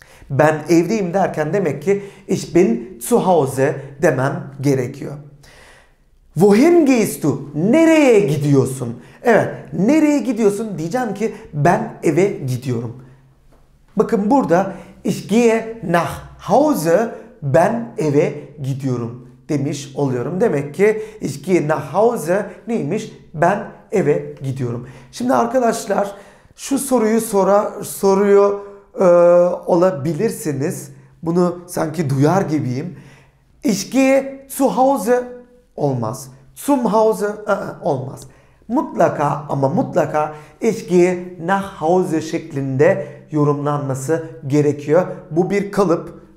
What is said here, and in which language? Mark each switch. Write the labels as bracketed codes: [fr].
[tr] Ben evdeyim derken demek ki [de] ich bin zu Hause [tr] demem gerekiyor. [de] Wohin gehst du? [tr] Nereye gidiyorsun? Evet, nereye gidiyorsun? Diyeceğim ki ben eve gidiyorum. Bakın burada [de] ich gehe nach Hause, [tr] ben eve gidiyorum demiş oluyorum. Demek ki [de] ich gehe nach Hause [tr] neymiş? Ben eve gidiyorum. Şimdi arkadaşlar şu soruyu soruyor olabilirsiniz. Bunu sanki duyar gibiyim. [de] Ich gehe zu Hause [tr] olmaz. [de] Zum Hause olmaz. [tr] Mutlaka ama mutlaka [de] ich gehe nach Hause [tr] şeklinde yorumlanması gerekiyor. Bu bir kalıp.